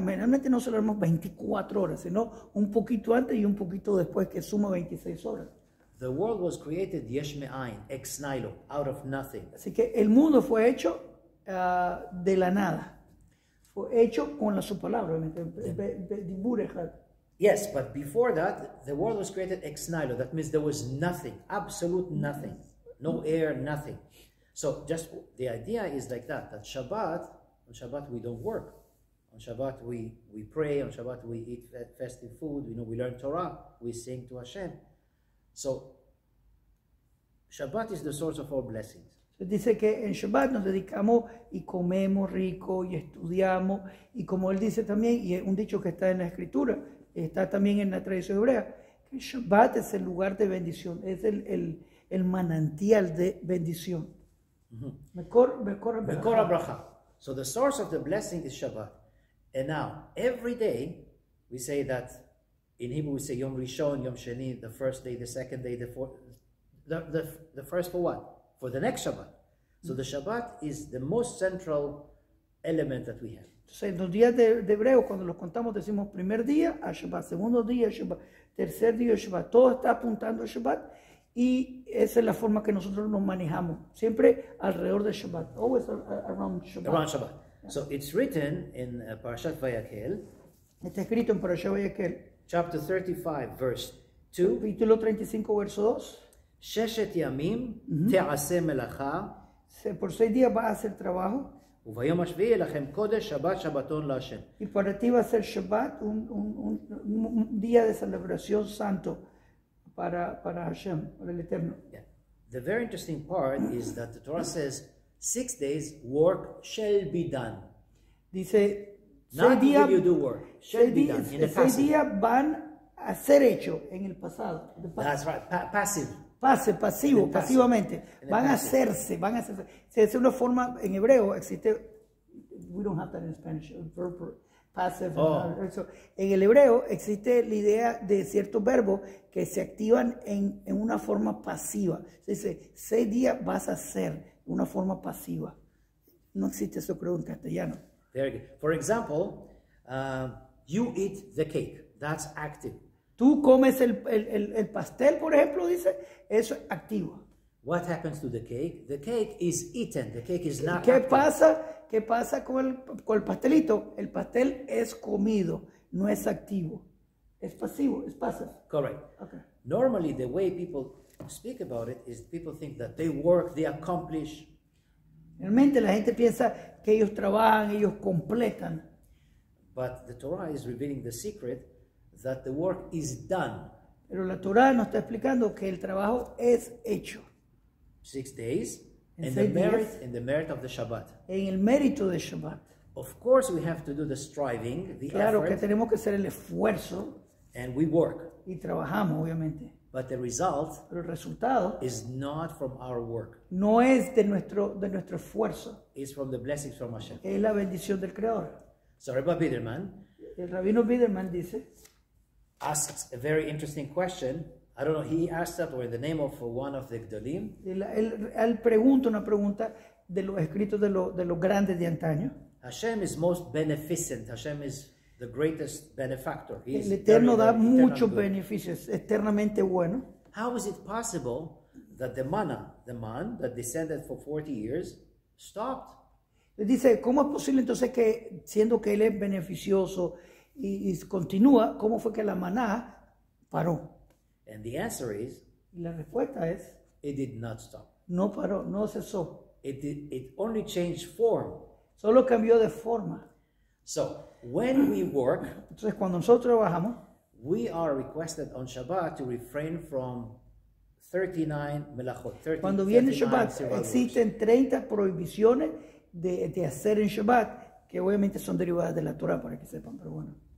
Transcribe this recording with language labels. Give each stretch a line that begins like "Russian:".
Spanish: Generalmente no celebramos 24 horas, sino un poquito antes y un poquito después, que suma 26 horas.
English: The world was created
Hebrew: yesh me'ayin,
English: ex nihilo, out of nothing.
Spanish: Así que el mundo fue hecho de la nada. Fue hecho con la su palabra, de
English: Yes, but before that, the world was created ex nihilo. That means there was nothing, absolute nothing, no air, nothing. So just the idea is like that, that Shabbat, on Shabbat we don't work. On Shabbat we pray, on Shabbat we eat festive food, you know, we learn Torah, we sing to Hashem. So Shabbat is the source of all blessings.
Spanish: Dice que en Shabbat nos dedicamos y comemos rico y estudiamos. Y como él dice también, y es un dicho que está en la escritura, está también en la tradición hebrea, que Shabbat es el lugar de bendición, es el manantial de bendición.
Hebrew: Mekor HaBracha.
English: So the source of the blessing is Shabbat. And now, every day, we say that in Hebrew we say
Hebrew: Yom Rishon, Yom Sheni,
English: the first day, the second day, the fourth. The first for what? For the next Shabbat. So the Shabbat is the most central element that we have.
Spanish: Entonces, en los días de hebreo, cuando los contamos, decimos primer día a Shabbat, segundo día a Shabbat, tercer día a Shabbat. Todo está apuntando a Shabbat y esa es la forma que nosotros nos manejamos. Siempre alrededor de Shabbat.
English: Always around Shabbat. Around Shabbat. So it's written in Parashat Vayakhel.
Spanish: Está escrito en Parashat Vayakhel.
English: Chapter 35, verse 2.
Spanish: Capítulo 35, verso 2.
Hebrew: Sheshet yamim te'ase melacha.
Spanish: Por seis días va a hacer trabajo.
Hebrew: וביום השביעי לכם קודש שבת שבתון להשם.
Spanish: Y para ti va a ser Shabbat un día de celebración santo para Hashem, para el Eterno.
English: The very interesting part is that the Torah says 6 days work shall be done.
Spanish: Dice,
English: not will you do work, shall be done in the past.
Spanish: 6 días van a ser hecho en el pasado.
English: That's right, passive.
Spanish: Pase, pasivo, pasivamente. Van a hacerse. Se hace una forma en hebreo, existe.
English: We don't have that in Spanish. Verb, passive. Oh.
Spanish: So, en el hebreo existe la idea de ciertos verbos que se activan en una forma pasiva. Se dice, 6 días vas a hacer una forma pasiva. No existe eso, creo, en castellano.
English: Very good. For example, you eat the cake. That's active.
Spanish: Tú comes el pastel, por ejemplo, dice, eso es activo.
English: What happens to the cake? The cake is eaten. The cake is not.
Spanish: ¿Qué pasa? ¿Qué pasa con el pastelito? El pastel es comido, no es activo. Es pasivo, es pasivo.
English: Correct. Okay. Normally the way people speak about it is people think that they work, they accomplish.
Spanish: Realmente la gente piensa que ellos trabajan, ellos completan.
English: But the Torah is revealing the secret that the work is done.
Spanish: Pero la Torá nos está explicando que el trabajo es hecho.
English: 6 days and the merit in the merit of the Shabbat.
Spanish: En el mérito de Shabbat.
English: Of course we have to do the striving, the
Spanish: claro
English: effort.
Spanish: Claro que tenemos que hacer el esfuerzo.
English: And we work.
Spanish: Y trabajamos obviamente.
English: But the result,
Spanish: pero el resultado,
English: is not from our work.
Spanish: No es de nuestro esfuerzo.
English: It's from the blessings from Hashem.
Spanish: Es la bendición del Creador.
English: So Rabbi Biderman,
Spanish: el Rabino Biderman dice,
English: asks a very interesting question. I don't know, he asked that or in the name of one of the Gdolim.
Spanish: Él pregunta una pregunta de los escritos de los grandes de antaño.
English: Hashem is most beneficent. Hashem is the greatest benefactor. He
Spanish: el Eterno da muchos beneficios, eternamente bueno.
English: How is it possible that the manna, the man that descended for 40 years, stopped?
Spanish: Le dice, ¿cómo es posible entonces que, siendo que él es beneficioso, y continúa, ¿cómo fue que la maná paró?
English: And the answer is,
Spanish: la respuesta es,
English: it did not stop.
Spanish: No paró, no cesó.
English: It only changed form.
Spanish: Solo cambió de forma.
English: So, when we work,
Spanish: entonces cuando nosotros trabajamos,
English: we are requested on Shabbat to refrain from 39 melachot.
Spanish: Cuando viene Shabbat, existen 30 prohibiciones de hacer en Shabbat, que obviamente son derivadas de la Torah, para que sepan, pero bueno.